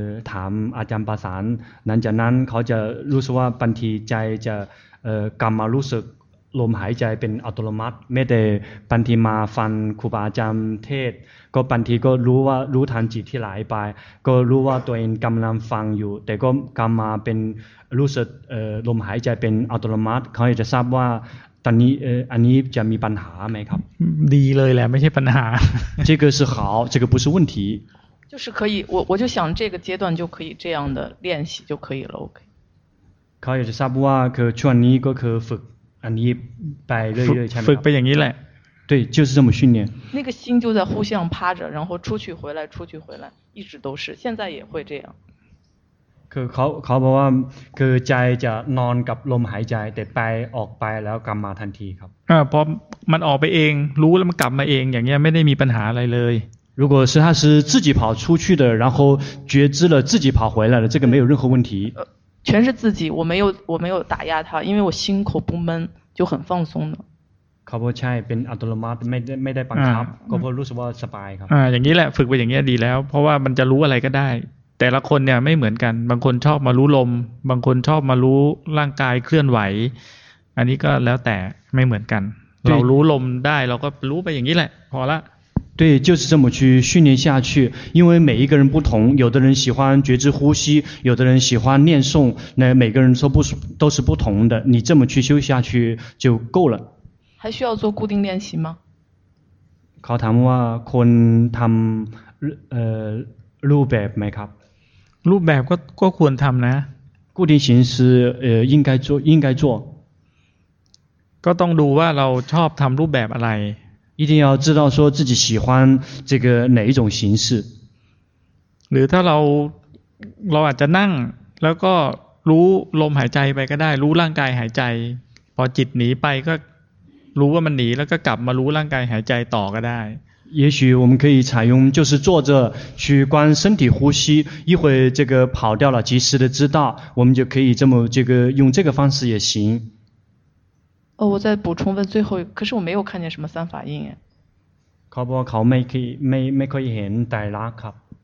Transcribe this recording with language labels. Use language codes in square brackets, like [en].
[th] ถามอาจารย์ประสานนั้นจากนั้นเขาจะรู้สึกว่าบางทีใจจะกำมารู้สึกลมหายใจเป็นอัตโนมัติไม่ได้บางทีมาฟังครูบาอาจารย์เทศก็บางทีก็รู้ว่ารู้ทันจิตที่ไหลไปก็รู้ว่าตัวเองกำลังฟังอยู่แต่ก็กำมาเป็นรู้สึกลมหายใจเป็นอัตโนมัติเขาอยากจะทราบว่าตอนนี้อันนี้จะมีปัญหาไหมครับ ดีเลยแหละไม่ใช่ปัญหา [zh] 这个是好这个不是问题就是可以我就想这个阶段就可以这样的练习就可以了 OK [th] เขาอยากจะทราบว่าคือช่วงนี้ก็คือฝึกอันนี้ไปเรื่อยๆใช่ไหม ฝึกไปอย่างนี้แหละ [zh] 对就是这么训练那个心就在呼吸上趴着然后出去回来出去回来一直都是现在也会这样 [th] คือเขาบอกว่าคือใจจะนอนกับลมหายใจแต่ไปออกไปแล้วกลับมาทันทีครับ พอมันออกไปเองรู้แล้วมันกลับมาเองอย่างเงี้ยไม่ได้มีปัญหาอะไรเลย [zh] 如果是他是自己跑出去的然后觉知了自己跑回来了这个没有任何问题全是自己我没有打压他因为我心口不闷就很放松的 [th] เขาบอกใช่เป็นอัตโนมัติไม่ได้บังคับก็เพราะรู้สึกว่าสบายครับ อย่างนี้แหละฝึกไปอย่างนี้ดีแล้วเพราะว่ามันจะรู้อะไรก็ได้แต่ละคนเนี่ยไม่เหมือนกันบางคนชอบมารู้ลมบางคนชอบมารู้ร่างกายเคลื่อนไหวอันนี้ก็แล้วแต่ไม่เหมือนกันเรารู้ลมได้เราก็รู้ไปอย่างนี้แหละพอละ [zh] 对就是这么去训练下去因为每一个人不同有的人喜欢觉知呼吸有的人喜欢念诵那每个人都是不同的你这么去修下去就够了还需要做固定练习吗？ [th] เขาถามว่าคนทำรูปแบบไหมครับ？ รูปแบบก็ควรทำนะ。 [zh] 固定形式应该做。 [th] ก็ต้องดูว่าเราชอบทำรูปแบบอะไร。 [zh] 一定要知道说自己喜欢这个哪一种形式。 [th] หรือถ้าเราอาจจะนั่งแล้วก็รู้ลมหายใจไปก็ได้รู้ร่างกายหายใจพอจิตหนีไปก็รู้ว่ามันหนีแล้วก็กลับมารู้ร่างกายหายใจต่อก็ได้ [zh] 也许我们可以采用就是坐着去观身体呼吸一会这个跑掉了及时的知道我们就可以这么这个用这个方式也行哦我再补充问最后可是我没有看见什么三法印 [th] เขาบอกเขาไม่เคยเห็นไตรลักษณ์ครับ